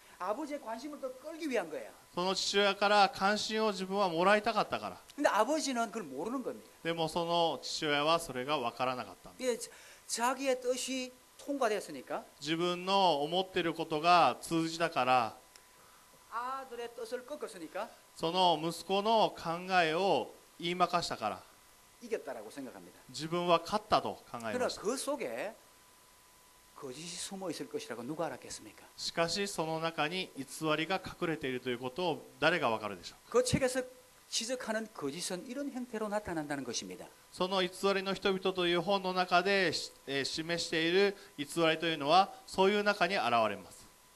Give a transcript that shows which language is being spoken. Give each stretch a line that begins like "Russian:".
Japanese: その父親から関心を自分はもらいたかったから。でも
Korean: 아버지는그걸모르는겁니다。
Japanese: でもその父親はそれがわからなかったんです。
Korean: 자기의뜻이통과되었으니까。
Japanese: 自分の思ってることが通じたから。
Korean: 아들의뜻을꺾었으니까。
Japanese: その息子の考えを言いまかしたから。
Korean: 이겼다라고생각합니다。
Japanese: 自分は勝ったと考えました。
Korean: 그 속에 거짓이 숨어 있을 것이라고 누가 알았겠습니까?
Japanese: しかしその中に偽りが隠れているということを誰がわかるでしょう?
Korean: 그 책에서 지적하는 거짓은 이런 형태로 나타난다는 것입니다.
Japanese: その偽りの人々という本の中で示している偽りというのはそういう中に現れます。